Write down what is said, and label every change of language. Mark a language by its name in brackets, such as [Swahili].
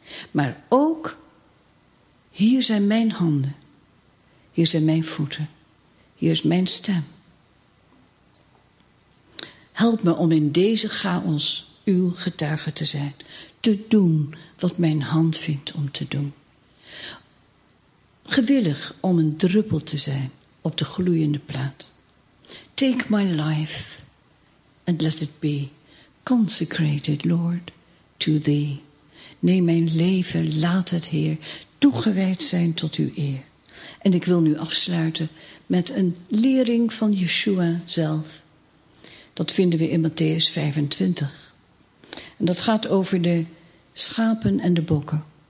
[Dutch] Maar ook, hier zijn mijn handen, hier zijn mijn voeten, hier is mijn stem. Help me om in deze chaos uw getuige te zijn, te doen wat mijn hand vindt om te doen. Gewillig om een druppel te zijn op de gloeiende plaat. [English] Take my life and let it be consecrated, Lord, to thee. [Dutch] Neem mijn leven, laat het, Heer, toegewijd zijn tot uw eer. En ik wil nu afsluiten met een lering van Yeshua zelf. Dat vinden we in Matteüs 25. En dat gaat over de schapen en de bokken.